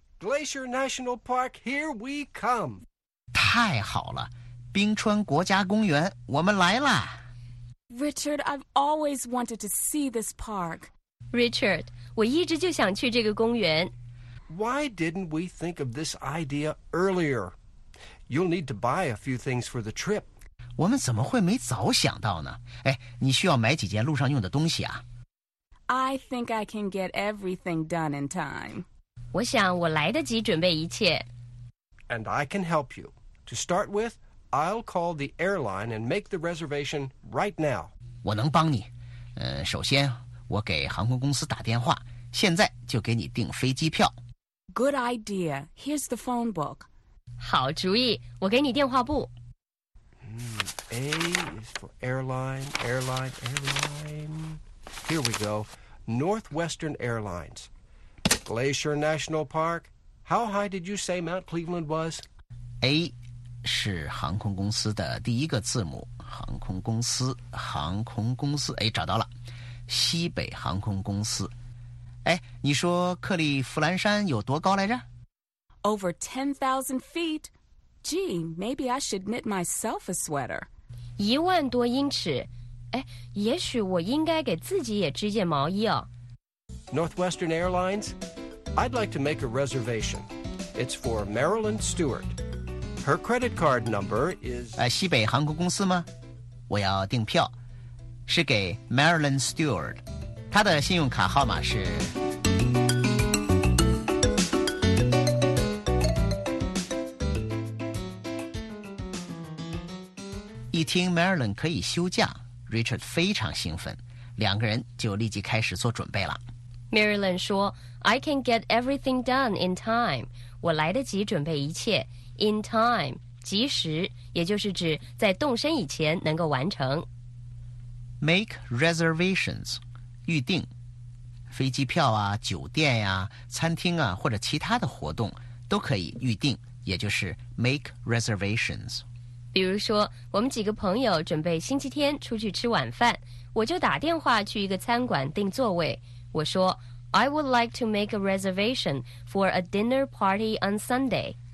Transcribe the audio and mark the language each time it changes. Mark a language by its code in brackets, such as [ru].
[en] Glacier National Park, here we come. [zh] 太好了，冰川国家公园，我们来啦。 [en] Richard, I've always wanted to see this park. [zh] Richard, 我一直就想去这个公园。 [en] Why didn't we think of this idea earlier? You'll need to buy a few things for the trip. [zh] 我们怎么会没早想到呢？哎，你需要买几件路上用的东西啊。 [en] I think I can get everything done in time. [zh] 我想我来得及准备一切。 [en] And I can help you. To start with,I'll call the airline and make the reservation right now. [zh] 我能帮你。首先我给航空公司打电话，现在就给你订飞机票。 [en] Good idea. Here's the phone book. [zh] 好主意，我给你电话簿。 [en] A is for airline, airline, airline. Here we go. Northwestern Airlines. Glacier National Park. How high did you say Mount Cleveland was? A. [zh] 是航空公司的第一个字母，航空公司，航空公司，哎，找到了，西北航空公司。哎，你说克利夫兰山有多高来着？ [en] Over 10,000 feet. Gee, maybe I should knit myself a sweater. [zh] 一万多英尺，哎，也许我应该给自己也织件毛衣哦。 [en] Northwestern Airlines, I'd like to make a reservation. It's for Marilyn Stewart. Her credit card number is... [zh] 西北航空公司吗？我要订票，是给 Marilyn Stewart。她的信用卡号码是... 一听 Marilyn 可以休假，Richard 非常兴奋，两个人就立即开始做准备了。 [en] Marilyn 说，I can get everything done in time. [zh] 我来得及准备一切。 In time, 及时，也就是指在动身以前能够完成。 Make reservations, 预定。飞机票啊，酒店呀，餐厅啊，或者其他的活动都可以预定，也就是 make reservations。比如说，我们几个朋友准备星期天出去吃晚饭，我就打电话去一个餐馆订座位。 [en] 我说 ,I would like to make a reservation for a dinner party on Sunday.